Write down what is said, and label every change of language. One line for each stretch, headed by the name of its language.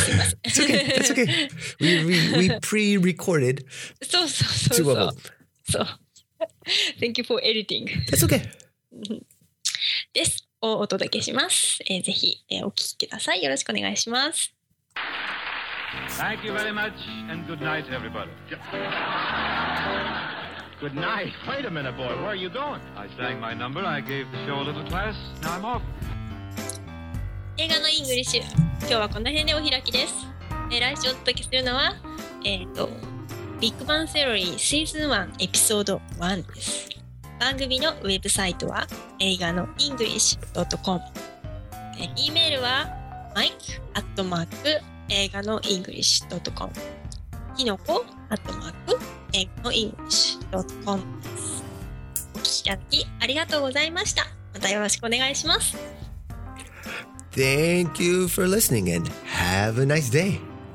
Japanese: すみません。
English: It's okay. We pre-recorded.
Japanese: そうそうそう。
English: 2 of them. そう。Thank you for editing. That's okay.
Japanese: です。お届けします。ぜひ、お聞きください。よろしくお願いします。
English: Thank you very much and good night, everybody. Good night. Wait a minute, boy. Where are you going? I sang my number. I gave the show a little class. Now I'm off.
Japanese: 映画のイングリッシュ。今日はこの辺でお開きです。来週お届けするのは、ビッグバンセオリーシーズン1エピソード1です。番組のウェブサイトは映画の english.com。 E メールは mike@映画の english.com。きのこ @english.com です。お聞きいただきありがとうございました。またよろしくお願いします。
English: Thank you for listening and have a nice day!